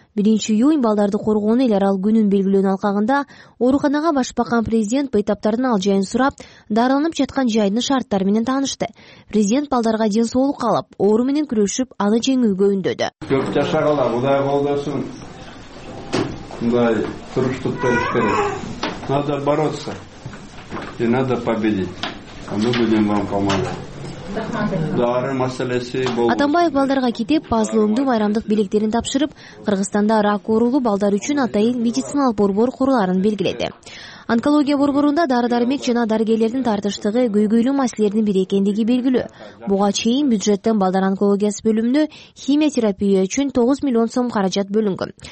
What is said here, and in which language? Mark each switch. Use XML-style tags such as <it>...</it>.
<ky>1-июнь балдарды коргоону эл аралык күнүн белгилөөнүн алкагында ооруканага баш баккан президент бейтаптардын ал жайын сурап, дарыланып жаткан жайдын шарттары менен таанышты. Президент балдарга ден соолук каалап, оору менен күрөшүп, аны жеңүүгө үндөдү. Көп жашагыла, Кудай колдосун. Мындай туруштук бериш керек.</ky> <ru>Надо бороться. И надо победить. А мы будем вам помогать.</ru> <ky>Дары маселеси болду. Атамбаев балдарга китеп, пазлоңду майрамдык билектерин тапшырып, Кыргызстанда рак оорулуу балдар үчүн атайын медициналык борбор куруларын белгиледи. Онкология борборунда дары-дармек жана дарыгерлердин тартыштыгы көйгөйлүү маселелердин бири экендиги белгилүү. Буга чейин бюджеттен балдар онкологиясы бөлүмүнө химиотерапия үчүн 9 миллион сом каражат бөлүнгөн.</ky>